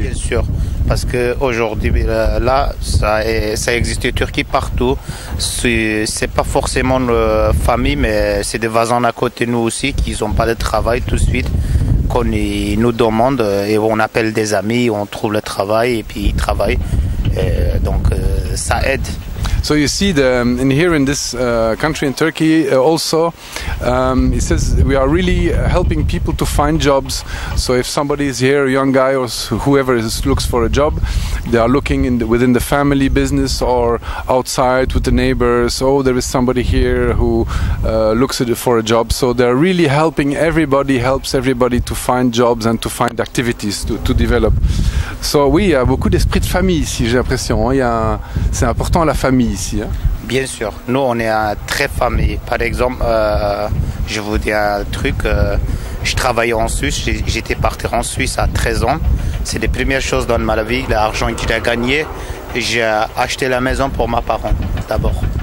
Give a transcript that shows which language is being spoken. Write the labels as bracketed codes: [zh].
[fr] Bien sûr, parce qu'aujourd'hui, là, ça existe en Turquie partout. C'est pas forcément la famille, mais c'est des voisins à côté de nous aussi qui n'ont pas de travail tout de suite. Quand ils nous demandent, et on appelle des amis, on trouve le travail et puis ils travaillent. Et donc, ça aide. [en] So you see, in this country in Turkey, also, it says we are really helping people to find jobs. So if somebody is here, a young guy or whoever looks for a job, they are looking within the family business or outside with the neighbors. Oh, there is somebody here who looks for a job. So they are really helping everybody, helps everybody to find jobs and to find activities to develop. [fr] So oui, il y a beaucoup d'esprit de famille ici, j'ai l'impression. C'est important la famille ici. Hein? Bien sûr, nous on est très famille. Par exemple, je vous dis un truc, je travaillais en Suisse, j'étais parti en Suisse à 13 ans. C'est les premières choses dans ma vie, l'argent que j'ai gagné, j'ai acheté la maison pour mes parents d'abord.